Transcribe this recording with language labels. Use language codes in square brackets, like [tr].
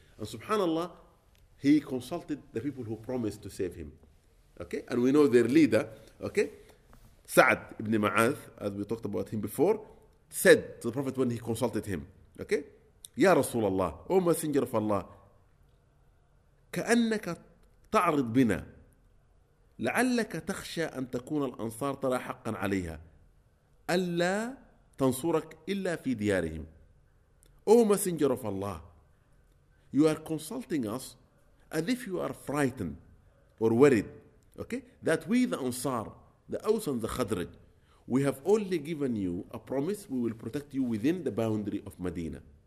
[en] And subhanallah, he consulted the people who promised to save him. Okay? And we know their leader, okay? Sa'd ibn Ma'ath, as we talked about him before, said to the Prophet when he consulted him, okay? Ya Rasulallah, O Messenger of Allah, [ar] كأنك تعرض بنا، لعلك تخشى أن تكون الأنصار ترى حقا عليها ألا تنصرك إلا في ديارهم. [en] Oh messenger of Allah, you are consulting us as if you are frightened or worried, okay, that we the Ansar, the Aus and the Khadraj, we have only given you a promise, we will protect you within the boundary of Medina.